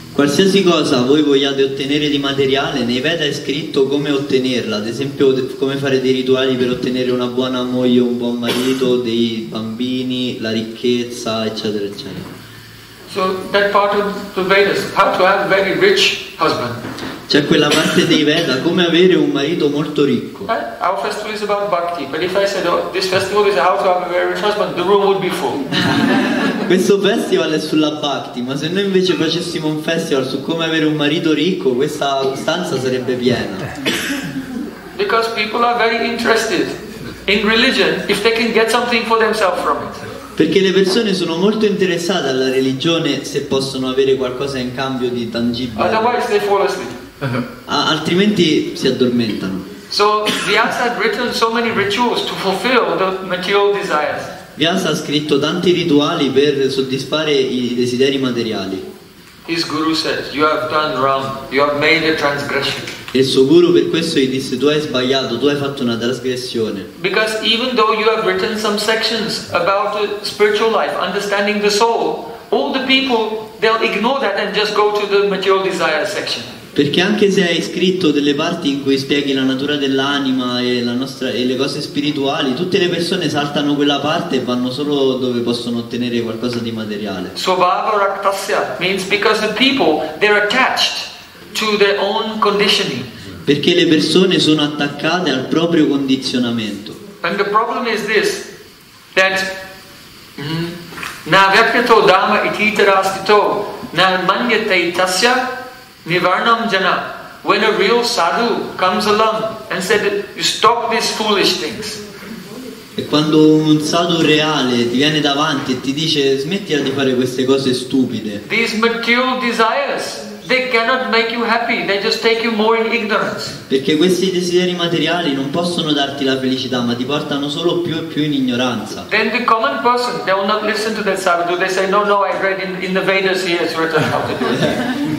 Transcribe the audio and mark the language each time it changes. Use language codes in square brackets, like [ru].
[it] Qualsiasi cosa voi vogliate ottenere di materiale, nei Veda è scritto come ottenerla, ad esempio come fare dei rituali per ottenere una buona moglie, un buon marito, dei bambini, la ricchezza, eccetera, eccetera. [en] So that part of the Vedas, how to have a very rich husband. [it] C'è quella parte dei Veda, come avere un marito molto ricco. [en] Our festival is about bhakti, but if I said, oh, this festival is how to have a very rich husband, the room would be full. [it] Questo festival è sulla bhakti, ma se noi invece facessimo un festival su come avere un marito ricco, questa stanza sarebbe piena. [en] Because people are very interested in religion if they can get something for themselves from it. [it] Perché le persone sono molto interessate alla religione se possono avere qualcosa in cambio di tangibile. [en] Otherwise they fall asleep. [it] Altrimenti si addormentano. [en] So Vyasa had written so many rituals to fulfill the material desires. [it] Vyasa ha scritto tanti rituali per soddisfare i desideri materiali. [en] His guru said, "You have done wrong. You have made a transgression." [it] E il suo guru per questo gli disse: "Tu hai sbagliato, tu hai fatto una trasgressione." [en] Because even though you have written some sections about the spiritual life, understanding the soul, all the people they'll ignore that and just go to the material desire section. [it] Perché anche se hai scritto delle parti in cui spieghi la natura dell'anima e la nostra e le cose spirituali, tutte le persone saltano quella parte e vanno solo dove possono ottenere qualcosa di materiale. [en] Svabhava raktasya means because the people they're attached to their own conditioning. [it] Perché le persone sono attaccate al proprio condizionamento. [en] And the problem is this, that [sa] na vyakrito dhamma iti tarastito na manyate tasya Nivarnam jana, [en] when a real sadhu comes along and said, "You stop these foolish things." [it] E quando un sadhu reale ti viene davanti e ti dice, smettila di fare queste cose stupide. [en] These material desires, they cannot make you happy. They just take you more in ignorance. [it] Perché questi desideri materiali non possono darti la felicità, ma ti portano solo più e più in ignoranza. [en] Then the common person, they will not listen to that sadhu. They say, "No, no, I read in the Vedas here it's written how to do it."